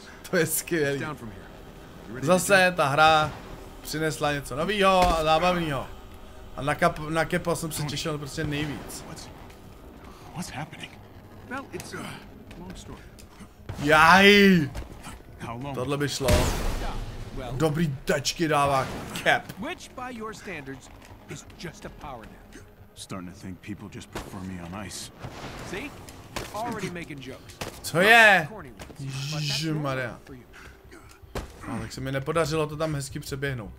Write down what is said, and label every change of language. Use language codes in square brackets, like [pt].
[cs] To je skvělý. Zase ta hra přinesla něco novýho a zábavného. A na Kepa jsem se těšil prostě nejvíc. [en] What's happening? Well, it's a long story. Jaj! How long? [cs] Tohle by šlo. Well, dobrý tečky dává Cap. [en] Which, by your standards, is just a power nap. Starting to think people just prefer me on ice. See? You're already making jokes. [cs] Co je? Ježišmarja. No, tak se mi nepodařilo to tam hezky přeběhnout.